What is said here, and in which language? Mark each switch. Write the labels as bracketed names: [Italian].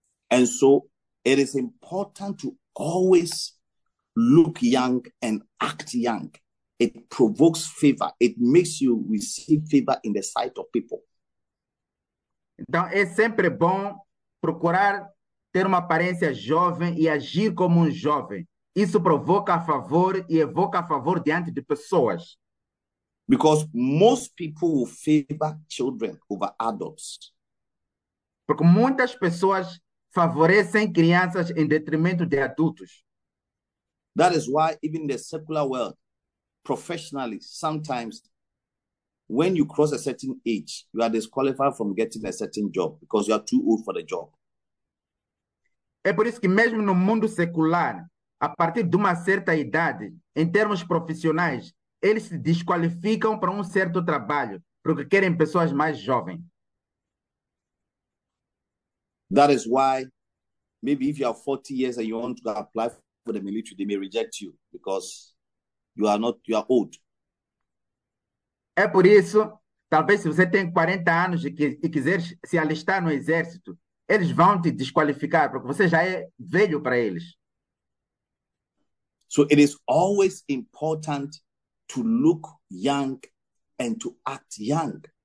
[English] And so, it is important to always look young and act young. It provokes favor. It makes you receive favor in the sight of people. [Portuguese] Então, é sempre bom procurar ter uma aparência jovem e agir como um jovem. Isso provoca favor e evoca favor diante de pessoas. [English] Because most people will favor children over adults. [Portuguese] Porque muitas pessoas favorecem crianças em detrimento de adultos. [English] That is why even the secular world, professionally, sometimes when you cross a certain age, you are disqualified from getting a certain job because you are too old for the job. [Portuguese] É por isso que mesmo no mundo secular, a partir de uma certa idade, em termos profissionais, eles se desqualificam para um certo trabalho, porque querem pessoas mais jovens. [English] That is why, maybe if you are 40 years and you want to apply for the military, they may reject you because you are old. [Portuguese] É por isso, talvez se você tem 40 anos e quiser se alistar no exército, eles vão te desqualificar, porque você já é velho para eles. [English] So it is always important to look young and to act young.